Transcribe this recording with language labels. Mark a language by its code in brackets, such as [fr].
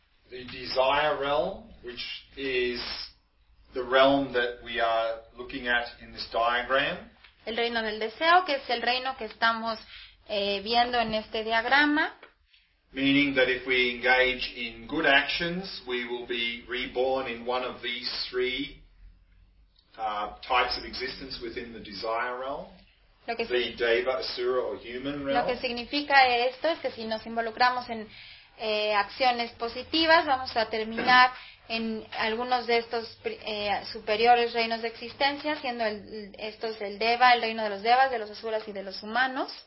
[en] The desire realm, which is the realm that we are looking at in this diagram. [es] El reino del deseo, que es el reino que estamos viendo en este diagrama. [en] Meaning that if we engage in good actions, we will be reborn in one of these three types of existence within the desire realm. The deva, asura, or human realm. [es] Lo que significa esto es que si nos involucramos en acciones positivas, vamos a terminar en algunos de estos superiores reinos de existencia, siendo estos el deva, el reino de los devas, de los asuras y de los humanos.